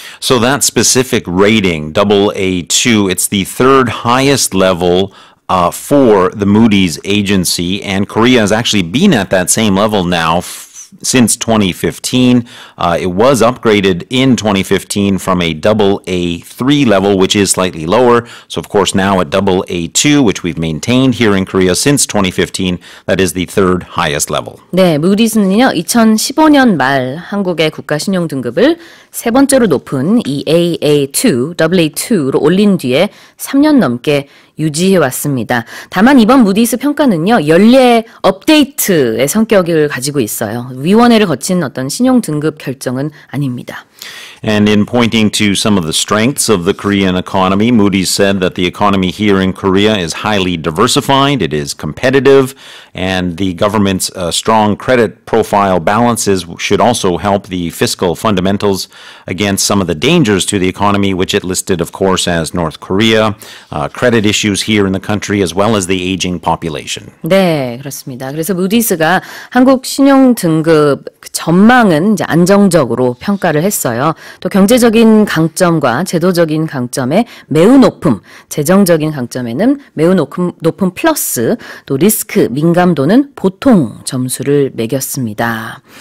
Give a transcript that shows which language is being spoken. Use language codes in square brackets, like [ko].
[en] So that specific rating, AA2, it's the third highest level for the Moody's agency, and Korea has actually been at that same level now since 2015. It was upgraded in 2015 from a AA3 level, which is slightly lower. So, of course, now at AA2, which we've maintained here in Korea since 2015, that is the third highest level. [ko] 네, Moody's는요, 2015년 말 한국의 국가 신용 등급을 세 번째로 높은 이 AA2로 올린 뒤에 3년 넘게 유지해왔습니다. 다만 이번 무디스 평가는요, 연례 업데이트의 성격을 가지고 있어요. 위원회를 거친 어떤 신용 등급 결정은 아닙니다. [en] And in pointing to some of the strengths of the Korean economy, Moody's said that the economy here in Korea is highly diversified, it is competitive, and the government's strong credit profile balances should also help the fiscal fundamentals against some of the dangers to the economy, which it listed, of course, as North Korea, credit issues here in the country, as well as the aging population. [ko] 네, 그렇습니다. 그래서 Moody's가 한국 신용 등급 전망은 이제 안정적으로 평가를 했어요. 또 경제적인 강점과 제도적인 강점에 매우 높음, 재정적인 강점에는 매우 높은 플러스, 또 리스크, 민감도는 보통 점수를 매겼습니다.